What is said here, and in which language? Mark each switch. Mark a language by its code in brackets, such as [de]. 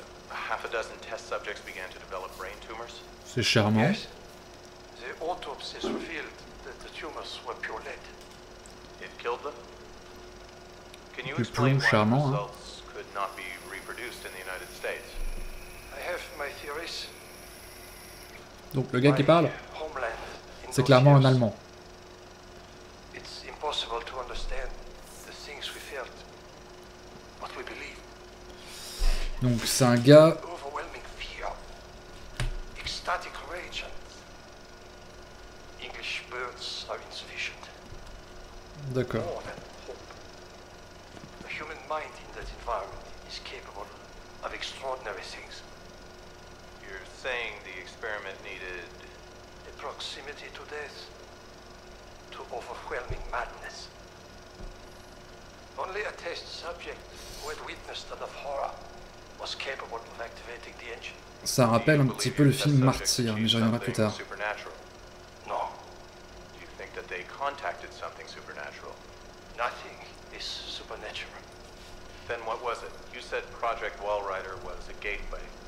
[en] Half a dozen test subjects began to develop brain tumors. [fr] C'est charmant. [en] Yes. The autopsies revealed that the tumors were pure lead. It killed them? Can you explain why the results could not be reproduced in the United States. I have my theories. [fr] Donc le gars qui parle, c'est clairement un Allemand. [en] It's impossible to understand the things we felt, what we believe. [fr] Donc c'est un gars. [en] Overwhelming fear, ecstatic rage, and English words are insufficient. [fr] D'accord. [en] More than hope. The human mind in that environment is capable of extraordinary things. You're saying the experiment needed a proximity to death, to overwhelming madness. Only a test subject who had witnessed that of horror was capable of activating the engine. [fr] Ça rappelle un petit peu le film Martyr, mais j'y reviendrai plus tard. [en] No. Do you think that they contacted something supernatural? Nothing is supernatural. Then what was it? You said Project Wallrider was a gateway.